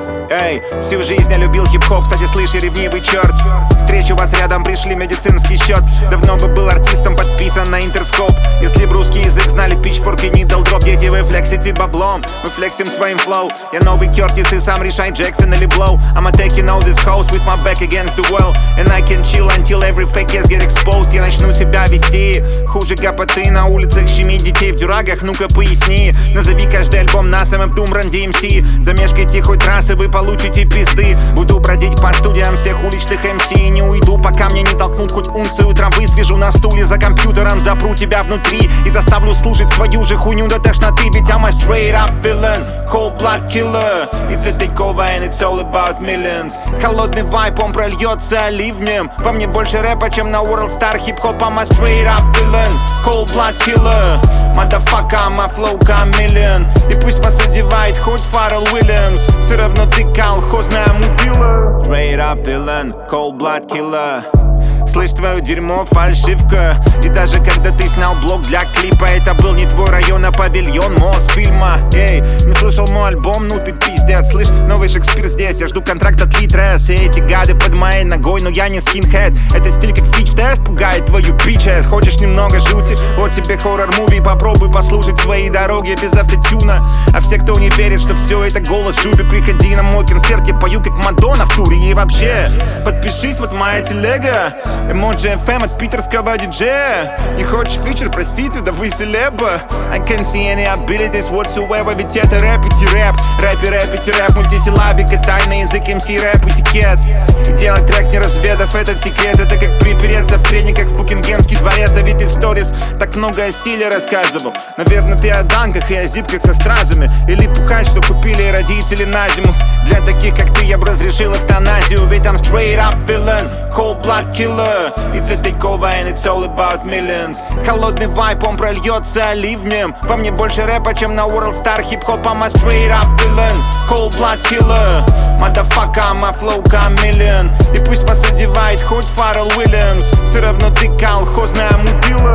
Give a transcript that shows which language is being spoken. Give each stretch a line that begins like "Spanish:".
Russian: Эй, всю жизнь я любил хип-хоп, кстати, слышь, я ревнивый черт. Встречу вас рядом, пришли медицинский счет. Давно бы был артистом, подписан на Интерскоп. Если б русский язык знали, пичфорк и needle drop. Дети, вы флексите баблом, мы флексим своим флоу. Я новый Кертис и сам решай, Джексон или Блоу.
English: I'm a taking all this house with my back against the wall. And I can chill until every fake ass get exposed.
Russian: Я начну себя вести хуже капоты на улицах, щеми детей в дюрагах, ну-ка поясни. Назови каждый альбом нас, MF Doom, Run DMC. Замешкайте хоть раз и вы получите пизды. Буду бродить по студиям всех уличных MC. Не уйду, пока мне не толкнут хоть унцию. Утром высвежу на стуле за компьютером, запру тебя внутри и заставлю слушать свою же хуйню до тошноты.
English: Ведь I'm a straight up villain, cold blood killer. It's a takeover and it's all about millions.
Russian: Холодный вайп, он прольется ливнем. Во мне больше рэпа, чем на World Star Hip Hop.
English: I'm a straight up villain, cold blood killer. Motherfucker, I'm a flow chameleon.
Russian: И пусть вас одевает хоть Фаррелл Уильямс, все равно ты колхозная мудила.
English: Straight up villain, cold blood killer.
Russian: Слышь, твое дерьмо, фальшивка. И даже когда ты снял блок для клипа, это был не твой район, а павильон Мосфильма. Эй, не слышал мой альбом, ну ты пиздец. Слышь, новый Шекспир здесь, я жду контракт от Литрес. Все эти гады под моей ногой, но я не скинхед. Это стиль как фич-тест, пугает твою бичес. Хочешь немного жути, вот тебе хоррор-муви. Попробуй послушать свои дороги без автотюна. А все, кто не верит, что все это голос жуби, приходи на мой концерт, я пою как Мадонна в туре. И вообще, подпишись, вот моя телега. Emoji FM от питерского диджея. Не хочешь фичер, простите, да вы селеба.
English: I can't see any abilities whatsoever.
Russian: Ведь это рэп, эти рэп. Рэп и рэп, эти рэп. Мультисилабика, тайный язык, MC, рэп, этикет. И делать трек, не разведав этот секрет. Это как припереться в трениках в Букингемский дворец. А ведь ты в сторис так много о стиле рассказывал. Наверное, ты о данках и о зипках со стразами. Или пухать, что купили родители на зиму. Для таких, как ты, я бы разрешил эвтаназию.
English: Ведь I'm straight up villain, cold blood killer. It's a takeover and it's all about millions.
Russian: Холодный вайп, он прольется ливнем. По мне больше рэпа, чем на World Star Hip Hop.
English: I'm a straight up villain, cold blood killer.
Russian: Motherfucker, I'm a flow chameleon. И пусть вас одевает хоть Фаррелл Уильямс, все равно ты колхозная мудила.